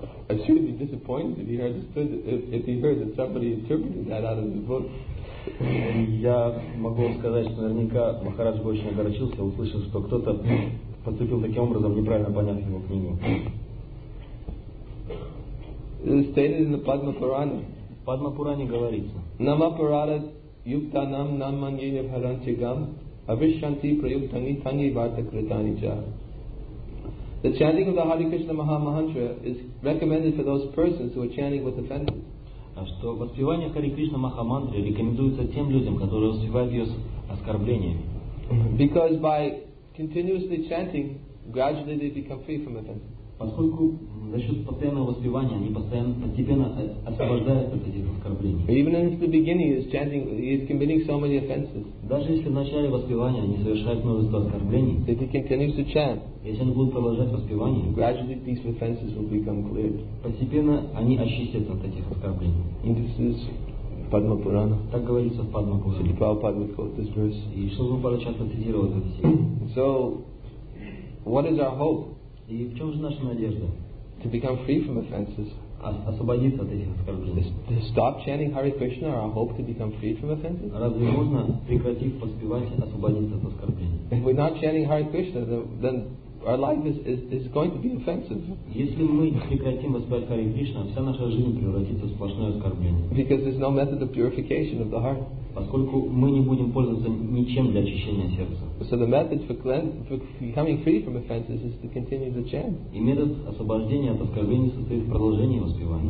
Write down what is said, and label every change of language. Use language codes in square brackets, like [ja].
[en] I'm sure he'd be disappointed if he understood if he heard that somebody interpreted that out of the book. [ru] Я могу сказать, что наверняка Махарадж бы очень огорчился, услышав, что кто-то поступил таким образом, неправильно поняв его книгу. [en] Stated in the Padma Purana. [ru] В Падма Пуране говорится. [sa] Нама Парада Юкта Нам Нам Маньяне Харанти Гам Авишанти Прайуктани Тани Варта Кретани Джа. [en] The chanting of the Hare Krishna Maha Mantra is recommended for those persons who are chanting with offenses. [ru] Что воспевание Хари Кришна Маха Мантры рекомендуется тем людям, которые воспевают ее с оскорблениями. [en] Because by continuously chanting, gradually they become free from offenses. [ru] Поскольку за счет постоянного воспевания они постепенно освобождаются от этих оскорблений. [en] Even in the beginning, he's chanting, he's committing so many offenses. [ru] Даже если в начале воспевания они совершают множество оскорблений, [en] if he continues to chant, [ru] если они будут продолжать воспевание, [en] gradually these offenses will become cleared. [ru] Постепенно они очистятся от этих оскорблений. [en] And this is Padma Purana. [ru] Так говорится в Падма Пуране. [en] So Prabhupada would quote this verse. [ru] И чтобы мы пару часто цитировали этот стих. [en] So, what is our hope? [ru] И в чем же наша надежда? [en] To become free from offenses. [ru] Освободиться от этих оскорблений. [en] To stop chanting Hare Krishna, our hope to become free from offenses. [ru] Разве можно, прекратив поспевать, освободиться от оскорблений? [en] If we're not chanting Hare Krishna, then our life is going to be offensive. [ru] Если мы прекратим воспевать Hare Krishna, вся наша жизнь превратится в сплошное оскорбление. [en] Because there's no method of purification of the heart. [ru] Поскольку мы не будем пользоваться ничем для очищения сердца. [en] So the method for becoming free from offenses is to continue the chant. [ru] И метод освобождения от оскорблений состоит в продолжении воспевания.